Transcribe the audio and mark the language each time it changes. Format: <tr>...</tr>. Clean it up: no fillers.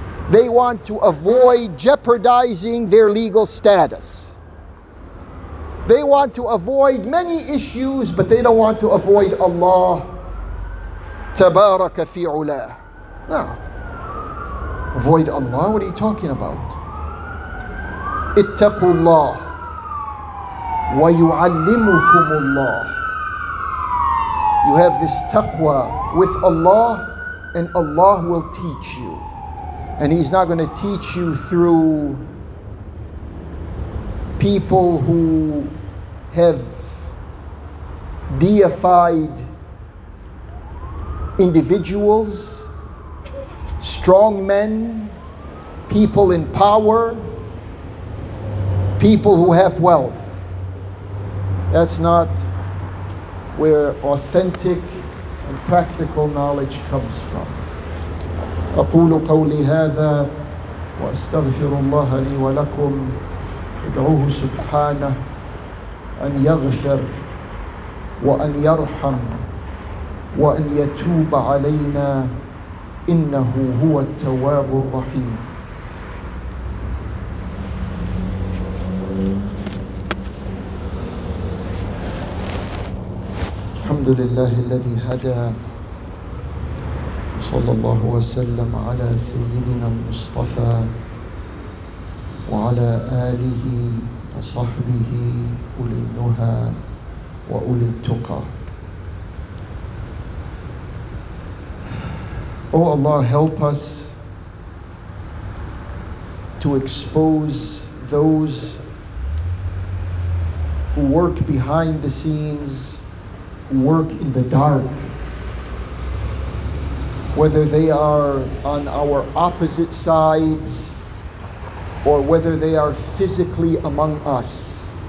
<en>They want to avoid jeopardizing their legal status. They want to avoid many issues, but they don't want to avoid Allah.</en> <ar>Tabaraka fi ula.</ar> <en>No. Avoid Allah? What are you talking about?</en> <ar>اتقوا الله ويعلمكم الله.</ar> <en>You have this taqwa with Allah, and Allah will teach you. And He's not going to teach you through people who have deified individuals, strong men, people in power, people who have wealth. That's not where authentic and practical knowledge comes from.</en> <ar>أقول قولي هذا وأستغفر الله لي ولكم أدعوه سبحانه أن يغفر وأن يرحم وأن يتوب علينا إنه هو التواب الرحيم. الحمد لله الذي هدى صلى الله وسلم على سيدنا المصطفى وعلى آله وصحبه أولي النهى وأولي التقى.</ar> <en>Oh Allah, help us to expose those who work behind the scenes, work in the dark, whether they are on our opposite sides or whether they are physically among us.</en>